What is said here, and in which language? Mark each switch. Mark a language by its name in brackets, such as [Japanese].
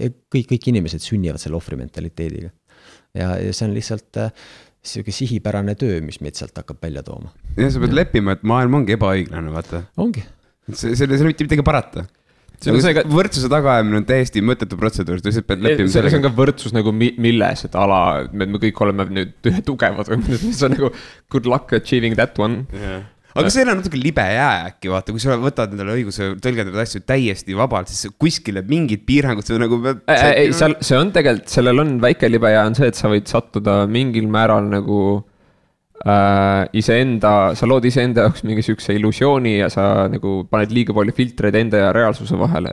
[Estonian] Kõik inimesed sünnivad selle ohvrimentaliteediga. Ja see on lihtsalt sihipärane töö, mis meid sealt hakkab välja tooma. Ja sa pead leppima, et maailm ongi ebaõiglane, vaata. Ongi. See on mitte midagi parata. Võrdsuse tagaajamine on täiesti mõtetu protseduur, siis pead leppima. Selles on ka võrdsus nagu milles, et ala, me kõik oleme nüüd ühe tugevad. See on nagu [English] good luck achieving that one. [Estonian] Jah. Aga see on natuke libe jää äkki, vaata, kui sa võtad nendele õiguse tõlgendavad asju täiesti vabalt, siis kuskile mingid piirangud see on nagu... See on tegelikult, sellel on väike libe jää, on see, et sa võid sattuda mingil määral nagu sa lood ise enda jaoks mingi sükse illusiooni ja sa nagu paned liiga palju filtreid enda ja reaalsuse vahele.